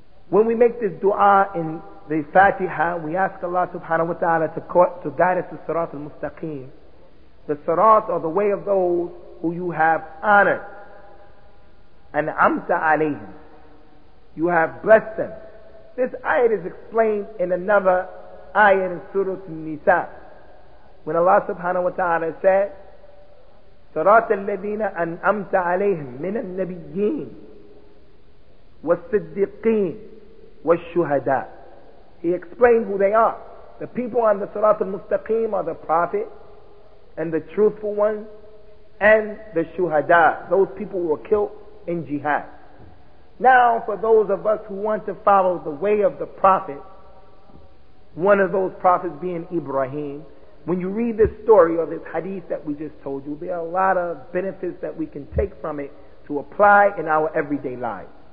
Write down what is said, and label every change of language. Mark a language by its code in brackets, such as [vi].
[en] When we make this dua in the Fatiha, we ask Allah subhanahu wa ta'ala to guide us to Sirat al-Mustaqim. The Sirat are the way of those who you have honored. An'amta alayhim. You have blessed them. This ayat is explained in another ayat in Surah An-Nisa. When Allah subhanahu wa ta'ala said, [ar] صراط الذين أنعمت عليهم من النبيين والصديقين والشهداء. [en] He explained who they are. The people on the Sirat al-Mustaqim are the prophet and the truthful ones and the shuhada, those people who were killed in jihad. Now for those of us who want to follow the way of the prophet, one of those prophets being Ibrahim, when you read this story or this hadith that we just told you, there are a lot of benefits that we can take from it to apply in our everyday lives.